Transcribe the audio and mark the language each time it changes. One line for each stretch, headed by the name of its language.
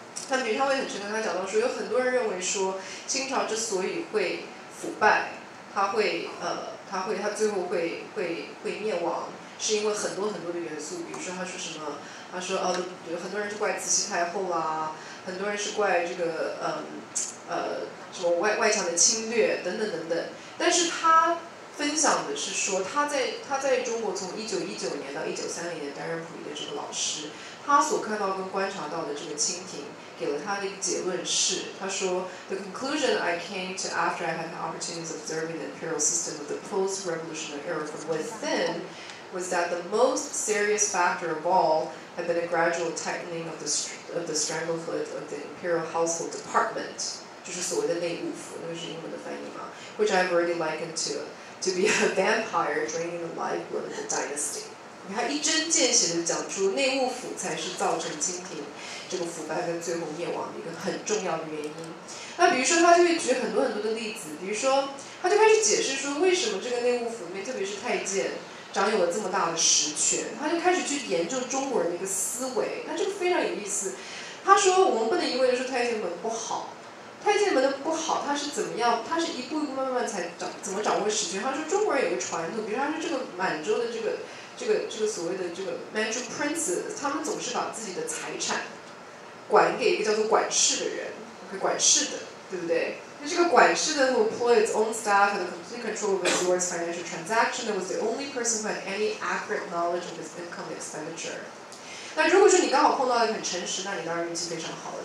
Chinese: 那比如他会很诚恳，他讲到说，有很多人认为说清朝之所以会腐败，他最后会灭亡，是因为很多很多的元素。比如说他说什么，他说有很多人是怪慈禧太后啦，很多人是怪这个什么外强的侵略等等等等。但是他分享的是说，他在中国从1919年到1930年担任溥仪的这个老师，他所看到跟观察到的这个清廷给了他的一个结论是，他说
English: The conclusion I came to after I had an opportunity of observing the imperial system of the post-revolutionary era from within was that the most serious factor of all had been a gradual tightening of the stranglehold of the imperial household department，
Chinese: 就是所谓的内务府，那是英文的翻译嘛，
English: which I've already likened to be a vampire draining the lifeblood of the dynasty。
Chinese: 他一针见血地讲出内务府才是造成清廷这个腐败跟最后灭亡的一个很重要的原因。那比如说他就会举很多很多的例子，比如说他就开始解释说，为什么这个内务府里面特别是太监掌有了这么大的实权。他就开始去研究中国人的一个思维，那这个非常有意思。他说我们不能因为就是太监门不好，太监门的不好他是怎么样，他是一步一步慢慢才掌怎么掌握实权。他说中国人有个传统，比如说他说这个满洲的这个所谓的这个 Manchu Princes， 他们总是把自己的财产管给一个叫做管事的人，管事的，对不对？那这个管事的
English: who employed its own staff had complete control over the lord's financial transaction and was the only person who had any accurate knowledge of his income expenditure。
Chinese: 那如果说你刚好碰到了很诚实，那你当然运气非常好了。